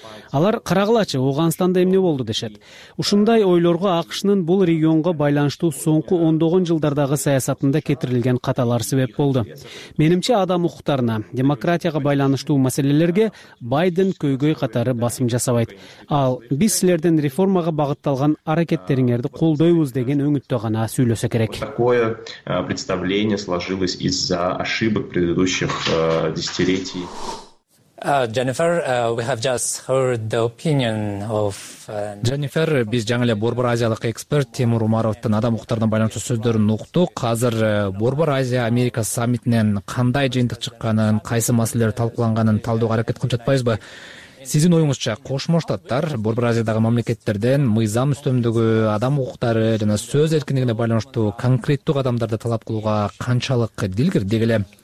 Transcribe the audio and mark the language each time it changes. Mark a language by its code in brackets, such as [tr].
[ky] Алар карагылачы, Ооганстанда эмне болду дешет. Ушундай ойлорго АКШнын бул регионго байланыштуу соңку ондогон жылдардагы саясатында кетирилген каталар себеп болду. Менимче, адам укуктарына, демократияга байланыштуу маселелерге Байден көйгөй катары басым жасабайт. Ал биз силердин реформага багытталган аракеттериңерди колдойбуз деген үмүттө гана сүйлөсө керек. [ru] Такое представление сложилось из-за ошибок предыдущих десятилетий. [en] Jennifer, we have just heard the opinion of [ky] Jennifer, биз жаңы эле Борбор Азиялык эксперт Тимур Умаровтун адам укуктарына байланыштуу сөздөрүн уктук. Азыр Борбор Азия Америка саммитинен кандай жыйынтык чыкканын, кайсы маселелер талкууланганын талдоого аракет кылып жатпайбызбы? Сиздин оюңузча Кошмо Штаттар Борбор Азиядагы мамлекеттерден мыйзам үстөмдүгү, адам укуктары жана сөз эркиндигине байланыштуу конкреттүү кадамдарды талап кылууга канчалык дил кирдик эле?